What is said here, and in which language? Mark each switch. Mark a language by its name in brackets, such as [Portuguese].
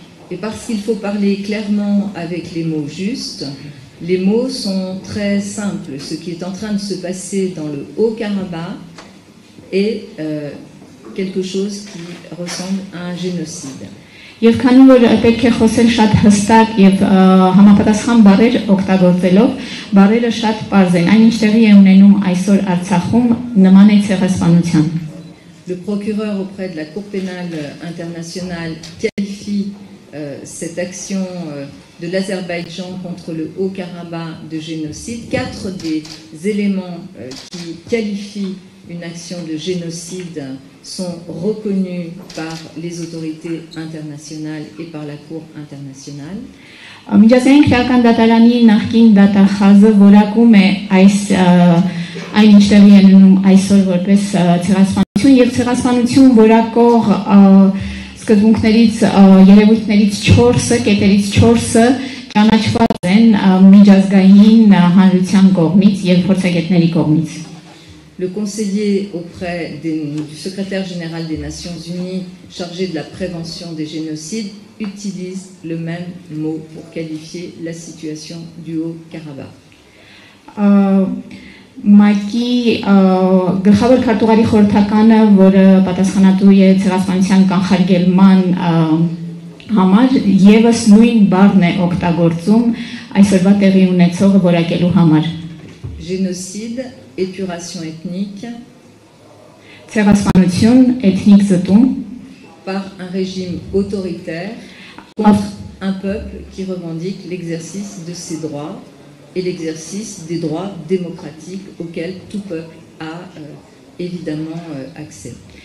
[French] Et parce qu'il faut parler clairement avec les mots justes, les mots sont très simples. Ce qui est en train de se passer dans le Haut-Karabakh est quelque chose qui ressemble à un génocide. [Armenian] Եվ քանի որ պետք է խոսել շատ հստակ եւ համապատասխան բառեր օգտագործելով, բառերը շատ պարզ են, այնինչ տեղի է ունենում այսօր Արցախում նման է ցեղասպանության. [French] Le procureur auprès de la Cour pénale internationale qualifie cette action de l'Azerbaïdjan contre le Haut-Karabakh de génocide. Quatre des éléments qui qualifient une action de génocide sont reconnus par les autorités internationales et par la Cour internationale. [Armenian] Միջազգային քրեական դատարանի նախկին դատախազը որակում է այս այնինչ տեղի է ունենում այսօր որպես ցեղասպանություն եւ ցեղասպանություն որակող սկզբունքներից երևույթներից 4-ը, կետերից 4-ը ճանաչված են միջազգային հանրության կողմից եւ փորձագետների կողմից. [French] Le conseiller auprès du secrétaire général des Nations Unies chargé de la prévention des génocides utilise le même mot pour qualifier la situation du Haut-Karabakh. [Armenian] Մայքի գլխավոր քարտուղարի խորհրդականը, որը պատասխանատու է ցեղասպանության կանխարգելման համար, եւս նույն բառն է օգտագործում այսօրվա տեղի ունեցողը որակելու համար. [French] Génocide, épuration ethnique, [Armenian] ցեղասպանություն, ethnic zetum, [French] par un régime autoritaire contre un peuple qui revendique l'exercice de ses droits et l'exercice des droits démocratiques auxquels tout peuple a évidemment accès.